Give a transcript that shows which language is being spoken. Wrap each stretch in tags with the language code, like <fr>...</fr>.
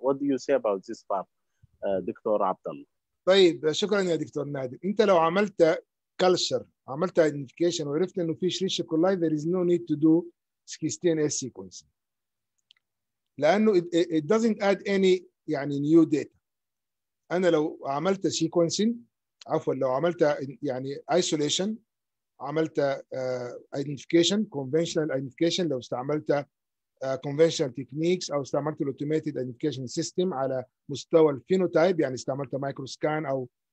<en>What do you say about this part, Dr. Abdallah?</en> <ar>طيب شكرا يا دكتور نادر. انت لو عملت culture, عملت identification وعرفت انه في شريش E.</ar> <en>coli, there is no need to do 16S sequencing.</en> <ar>لانه</ar> <en>it doesn't add any</en> <ar>يعني</ar> <en>new data.</en> <ar>انا لو عملت sequencing, عفوا لو عملت يعني isolation, عملت identification, conventional identification, لو استعملت conventional techniques أو استعملت automated identification system على مستوى الفينوتايب, يعني استعملت microscan أو</ar>